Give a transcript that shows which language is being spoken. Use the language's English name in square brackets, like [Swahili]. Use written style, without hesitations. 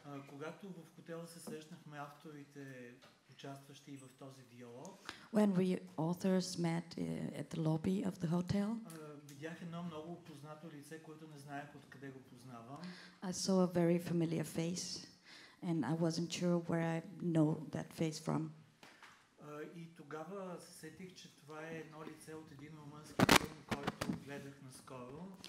[Bulgarian] Когато в хотела се срещнахме авторите, участващи в този диалог, [English] when we authors met at the lobby of the hotel, [Bulgarian] видях едно много познато лице, което не знаех откъде го познавам. [English] I saw a very familiar face, and I wasn't sure where I know that face from. [Bulgarian] И тогава се сетих, че това е едно лице от един румънски филм, който гледах наскоро.